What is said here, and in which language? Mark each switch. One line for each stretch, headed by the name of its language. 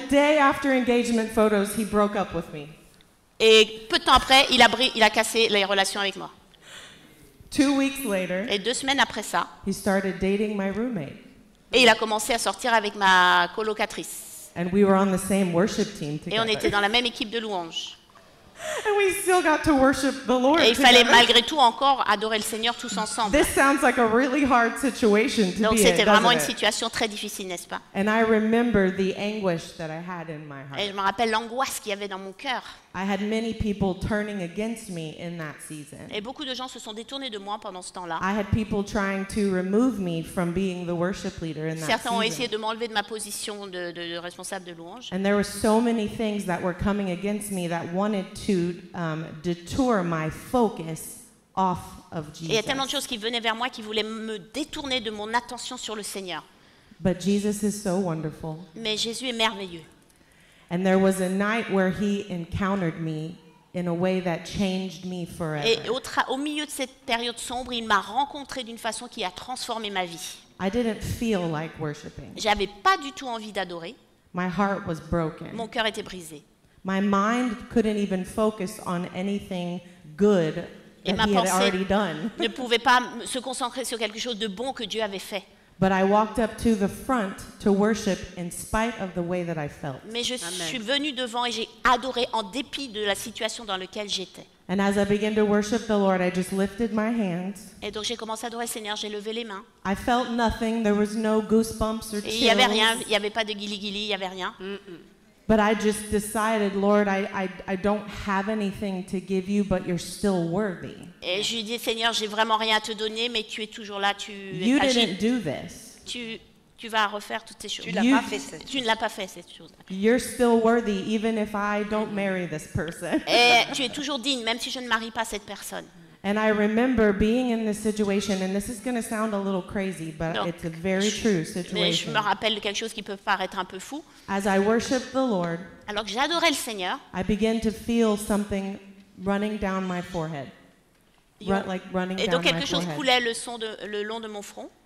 English: And the day after engagement photos, he broke up with me.
French: Et peu de temps après, il a cassé les relations avec moi.
English: 2 weeks later,
French: et 2 semaines après ça,
English: he started dating my roommate.
French: Et il a commencé à sortir avec ma colocatrice.
English: And we were on the same worship team together.
French: Et on était dans la même équipe de louange.
English: And we still got to worship the Lord.
French: Et il fallait malgré tout encore adorer le Seigneur tous ensemble.
English: This sounds like a really hard situation to
French: donc
English: be
French: c'était
English: in,
French: vraiment
English: it?
French: Une situation très difficile, n'est-ce pas?
English: And I remember the anguish that I had in my heart.
French: Et je me rappelle l'angoisse qu'il y avait dans mon cœur.
English: I had many people turning against me in that season.
French: Et beaucoup de gens se sont détournés de moi pendant ce temps-là.
English: I had people trying to remove me from being the worship leader in that season.
French: Certains ont essayé de m'enlever de ma position de responsable de louange.
English: And there were so many things that were coming against me that wanted to detour my focus off of Jesus.
French: Il y a tellement de choses qui venaient vers moi qui voulaient me détourner de mon attention sur le Seigneur.
English: But Jesus is so wonderful.
French: Mais Jésus est merveilleux.
English: And there was a night where he encountered me in a way that changed me forever.
French: Et au milieu de cette période sombre, il m'a rencontré d'une façon qui a transformé ma vie.
English: I didn't feel like worshiping.
French: J'avais pas du tout envie d'adorer.
English: My heart was broken.
French: Mon cœur était brisé.
English: My mind couldn't even focus on anything good that he had already done.
French: Ne pouvait pas se concentrer sur quelque chose de bon que Dieu avait fait.
English: But I walked up to the front to worship in spite of the way that I felt.
French: Mais je suis venue devant et j'ai adoré en dépit de la situation dans laquelle j'étais.
English: And as I began to worship the Lord, I just lifted my hands.
French: Et donc j'ai commencé à adorer le Seigneur, j'ai levé les mains.
English: I felt nothing, there was no goosebumps or chills.
French: Il y avait rien, il y avait pas de guili-guili, il y avait rien.
English: But I just decided, Lord, I don't have anything to give you, but you're still worthy.
French: Et je lui dis, Seigneur, j'ai vraiment rien à te donner, mais tu es toujours là, tu agis.
English: You didn't do this.
French: Tu vas refaire toutes ces choses. Tu ne l'as pas fait, cette chose.
English: You're still worthy, even if I don't marry this person.
French: Et tu es toujours digne, même si je ne marie pas cette personne.
English: And I remember being in this situation, and this is going to sound a little crazy, but
French: donc,
English: it's a very true situation.
French: Mais je me rappelle quelque chose qui peut paraître un peu fou.
English: As I worship the Lord,
French: alors que j'adorais le Seigneur,
English: I begin to feel something running down my forehead.
French: Et donc quelque chose coulait le long de mon front.